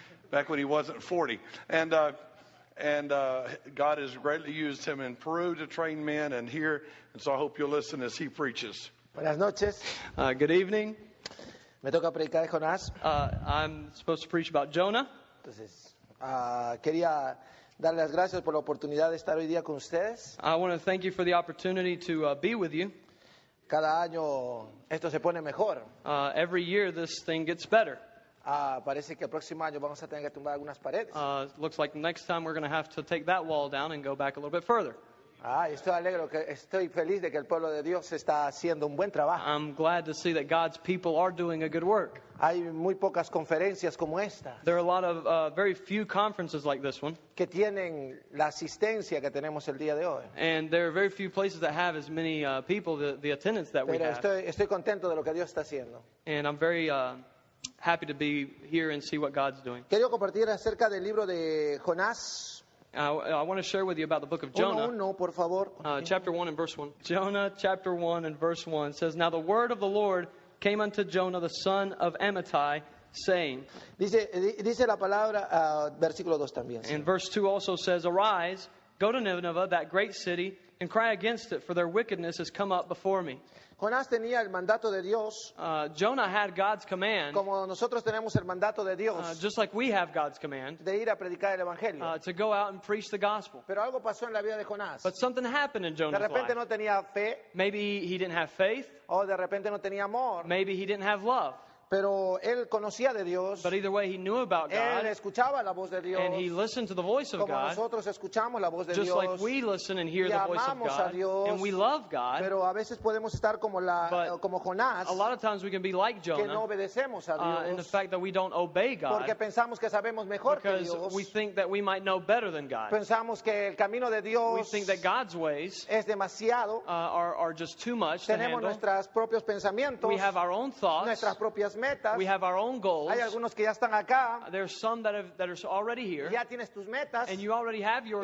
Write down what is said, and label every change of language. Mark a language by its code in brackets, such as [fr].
[en] Back when he wasn't 40. And God has greatly used him in Peru to train men and here. And so I hope you'll listen as he preaches. [es] Buenas noches. [en] Good evening. [es] Me toca predicar Jonás. [en] I'm supposed to preach about Jonah. [es] Entonces, quería darle las gracias por la oportunidad de estar hoy día con ustedes. [en] I want to thank you for the opportunity to be with you. [es] Cada año esto se pone mejor. [en] Every year this thing gets better. [es] Parece que el próximo año vamos a tener que tumbar algunas paredes. [en] Looks like next time we're going to have to take that wall down and go back a little bit further. [es] Estoy feliz de que el pueblo de Dios está haciendo un buen trabajo. [en] I'm glad to see that God's people are doing a good work. [es] Hay muy pocas conferencias como esta. [en] There are a lot of very few conferences like this one. [es] Que tienen la asistencia que tenemos el día de hoy. [en] And there are very few places that have as many people, the attendance that [es] Pero [en] we have. [es] Estoy contento de lo que Dios está haciendo. [en] And I'm very happy to be here and see what God's doing. [es] Quiero compartir acerca del libro de Jonás. [en] I want to share with you about the book of Jonah. [es] Por favor. [en] Chapter 1 and verse 1. Jonah chapter 1 and verse 1 says, Now the word of the Lord came unto Jonah the son of Amittai, saying, [es] dice la palabra, versículo 2 también, [en] and [es] sí. [en] Verse 2 also says, Arise, go to Nineveh, that great city, and cry against it, for their wickedness has come up before me. [es] Jonás tenía el mandato de Dios. [en] Jonah had God's command. [es] Como nosotros tenemos el mandato de Dios. [en] Just like we have God's command. [es] De ir a predicar el evangelio. [en] To go out and preach the gospel. [es] Pero algo pasó en la vida de Jonás. [en] But something happened in Jonah's life. [es] De repente [en] life. [es] No tenía fe. [en] Maybe he didn't have faith. [es] O de repente no tenía amor. [en] Maybe he didn't have love. [es] Pero él conocía de Dios. [en] But either way, he knew about God. [es] Él escuchaba la voz de Dios. [en] And he listened to the voice of [es] como [en] God. [es] Nosotros escuchamos la voz de [en] just [es] Dios. [en] Like we listen and hear [es] y [en] the voice of God. [es] A Dios. [en] And we love God. [es] Pero a veces podemos estar como la, [en] but [es] como Jonás, [en] a lot of times we can be like Jonah. [es] Que no obedecemos a Dios, [en] in the fact that we don't obey God. [es] Porque pensamos que sabemos mejor [en] because [es] que Dios. [en] We think that we might know better than God. [es] Pensamos que el camino de Dios [en] we think that God's ways [es] es demasiado. [en] Are just too much [es] tenemos [en] to handle. [es] Nuestras propios pensamientos, [en] we have our own thoughts. [es] Nuestras propias metas. [en] We have our own goals. [es] Hay algunos que ya están acá. [en] There's some that are already here. [es] Ya tienes tus metas. [en] And you already have your